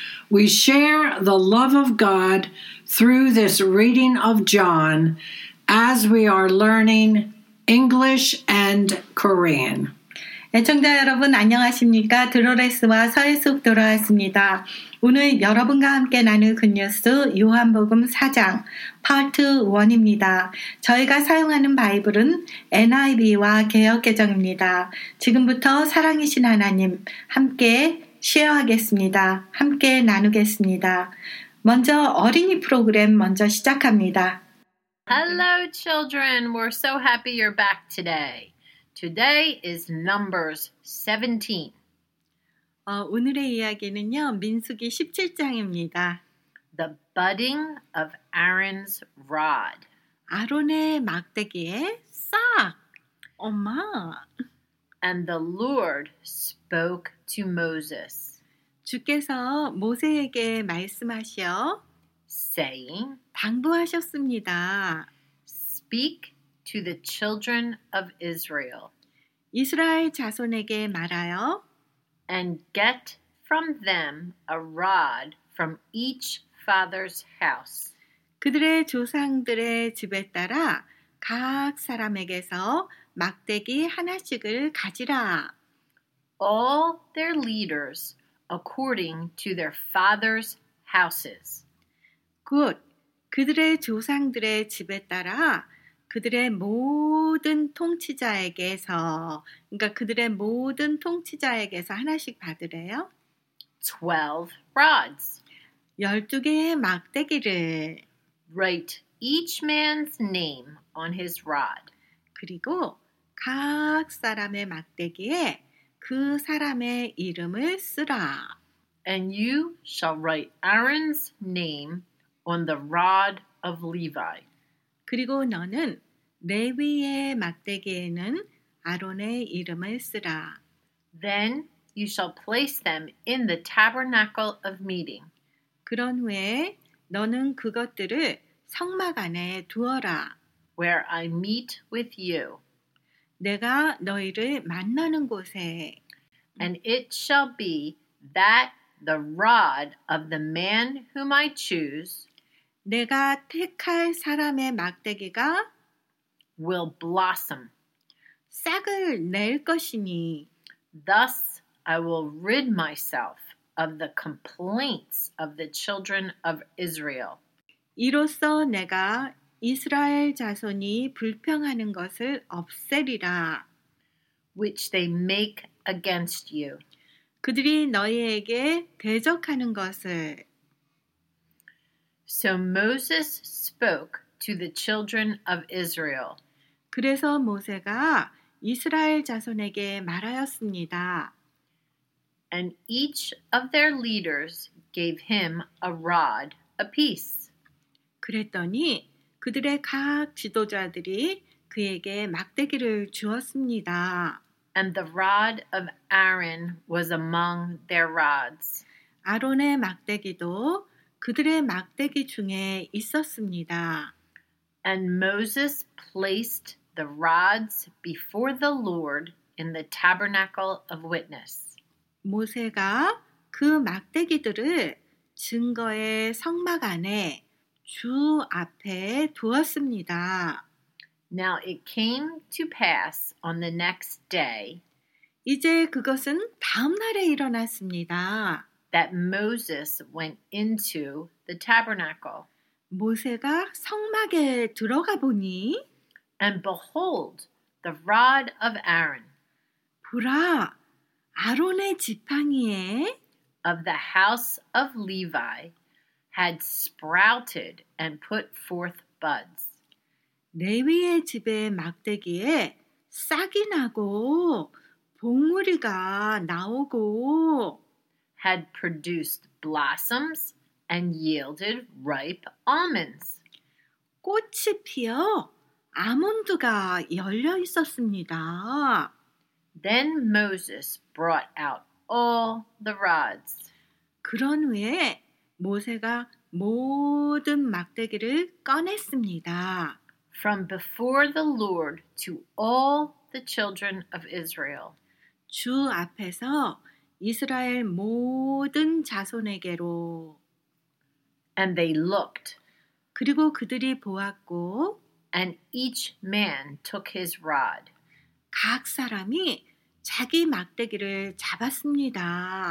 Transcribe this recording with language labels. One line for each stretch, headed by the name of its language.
English: We share the love of God through this reading of John as we are learning English and Korean.
Korean: 애청자 여러분 안녕하십니까? 드로레스와 서혜숙 돌아왔습니다. 오늘 여러분과 함께 나눌 굿뉴스 요한복음 4장 파트 1입니다. 저희가 사용하는 바이블은 NIV와 개역개정입니다. 지금부터 사랑이신 하나님 함께 쉐어하겠습니다. 함께 나누겠습니다. 먼저 어린이 프로그램 먼저 시작합니다.
English: Hello children, we're so happy you're back today. Today is Numbers 17.
Korean: 오늘의 이야기는요, 민수기 17장입니다.
English: The budding of Aaron's rod.
Korean: 아론의 막대기에 싹! 엄마!
English: And the Lord spoke to Moses.
Korean: 주께서 모세에게 말씀하셔,
English: saying,
Korean: 당부하셨습니다.
English: Speak to the children of Israel.
Korean: 이스라엘 자손에게 말하여
English: and get from them a rod from each father's house.
Korean: 그들의 조상들의 집에 따라 각 사람에게서 막대기 하나씩을 가지라.
English: All their leaders according to their father's houses. Good.
Korean: 그들의 조상들의 집에 따라 그들의 모든 통치자에게서, 그러니까 그들의 모든 통치자에게서 하나씩 받으래요.
English: 12 rods.
Korean: 12개의 막대기를.
English: Write each man's name on his rod.
Korean: 그리고 각 사람의 막대기에 그 사람의 이름을 쓰라.
English: And you shall write Aaron's name on the rod of Levi.
Korean: 그리고 너는 레위의 막대기에는 아론의 이름을 쓰라.
English: Then you shall place them in the tabernacle of meeting.
Korean: 그런 후에 너는 그것들을 성막 안에 두어라.
English: Where I meet with you.
Korean: 내가 너희를 만나는 곳에.
English: And it shall be that the rod of the man whom I choose.
Korean: 내가 택할 사람의 막대기가
English: will blossom.
Korean: 싹을 낼 것이니.
English: Thus I will rid myself of the complaints of the children of Israel.
Korean: 이로써 내가 이스라엘 자손이 불평하는 것을 없애리라.
English: Which they make against you.
Korean: 그들이 너희에게 대적하는 것을.
English: So Moses spoke to the children of Israel.
Korean: 그래서 모세가 이스라엘 자손에게 말하였습니다.
English: And each of their leaders gave him a rod apiece.
Korean: 그랬더니 그들의 각 지도자들이 그에게 막대기를 주었습니다.
English: And the rod of Aaron was among their rods.
Korean: 아론의 막대기도 그들의 막대기 중에 있었습니다.
English: And Moses placed the rods before the Lord in the tabernacle of witness.
Korean: 모세가 그 막대기들을 증거의 성막 안에 주 앞에 두었습니다.
English: Now it came to pass on the next day.
Korean: 이제 그것은 다음 날에 일어났습니다.
English: That Moses went into the tabernacle.
Korean: 모세가 성막에 들어가 보니
English: And behold, the rod of Aaron.
Korean: 보라, 아론의 지팡이에
English: Of the house of Levi had sprouted and put forth buds.
Korean: 레위의 집에 막대기에 싹이 나고 봉우리가 나오고
English: had produced blossoms and yielded ripe almonds.
Korean: 꽃이 피어 아몬드가 열려 있었습니다.
English: Then Moses brought out all the rods.
Korean: 그런 후에 모세가 모든 막대기를 꺼냈습니다.
English: From before the Lord to all the children of Israel.
Korean: 주 앞에서 이스라엘 모든 자손에게로
English: And they looked.
Korean: 그리고 그들이 보았고
English: And each man took his rod.
Korean: 각 사람이 자기 막대기를 잡았습니다.